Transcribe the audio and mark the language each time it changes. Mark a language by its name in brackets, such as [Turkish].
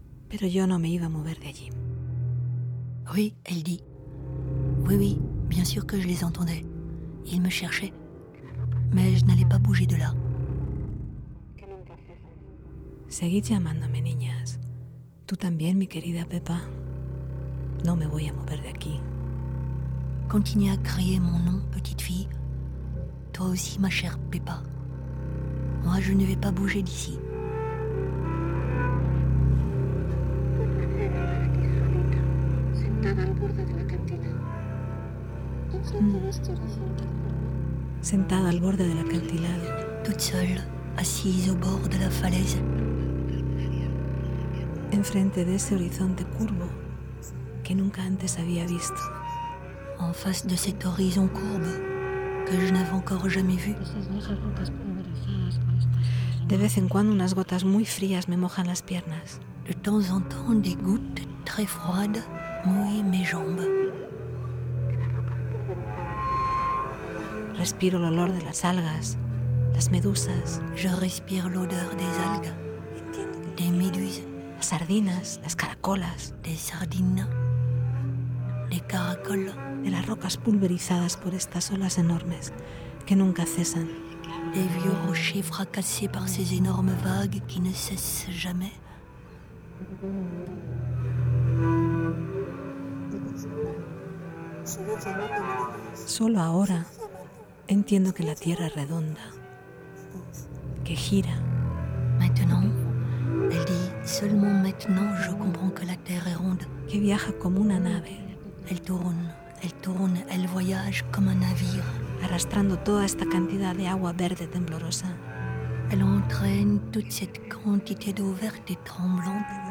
[Spanish] Pero yo no me iba a mover de allí. [French] Oui, elle dit. Oui, oui, bien sûr que je les entendais. Ils me cherchaient. Mais je n'allais pas bouger de là. [Spanish] Seguid llamándome, niñas. Tú también, mi querida Pepa. No me voy a mover de aquí. [French] Continuez à crier mon nom, petite fille. Toi aussi, ma chère Pepa. Moi, je ne vais pas bouger d'ici. [Spanish] Sentada al borde del acantilado. [French] Toute seule, assise au bord de la falaise. [Spanish] Enfrente de ese horizonte curvo que nunca antes había visto. [French] En face de cet horizon courbe que je n'avais encore jamais vu. [Spanish] De vez en cuando unas gotas muy frías me mojan las piernas. [French] De temps en temps des gouttes très froides mouillent mes jambes. [Spanish] Respiro el olor de las algas, las medusas. [French] Je respire l'odeur des algues, des méduses. [Spanish] Las sardinas, las caracolas. [French] Des sardines, des caracoles. [Spanish] De las rocas pulverizadas por estas olas enormes que nunca cesan. [French] Des vieux rochers fracassés par ces énormes vagues qui ne cessent jamais. [Spanish] Solo ahora entiendo que la Tierra es redonda, que gira. [French] Maintenant, elle dit, seulement maintenant je comprends que la Terre est ronde. [Spanish] Que viaja como una nave. [French] Elle tourne, elle voyage comme un navire. [Spanish] Arrastrando toda esta cantidad de agua verde temblorosa. [French] Elle entraîne toute cette quantité d'eau verte et tremblante.